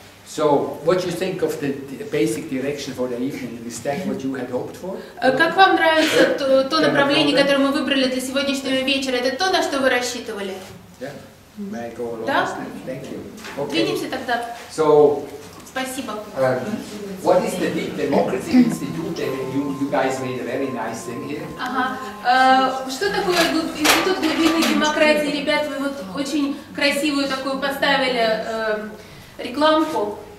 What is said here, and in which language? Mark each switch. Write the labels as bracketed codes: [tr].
[en] So, what you think of the basic direction for the evening? Is that what you had hoped for? [ru] Как вам нравится то направление, которое мы выбрали для сегодняшнего вечера? Это то, на что вы рассчитывали? [en] Yeah. May I go along? [ru] Да. [en] Thank you. [ru] Okay. Двинемся тогда. [en] So, [ru] спасибо. [en] What is the Deep Democracy Institute? You guys made a very nice thing here. [ru] Что такое Институт глубинной демократии? Ребят, вы вот очень красивую такую поставили рекламку.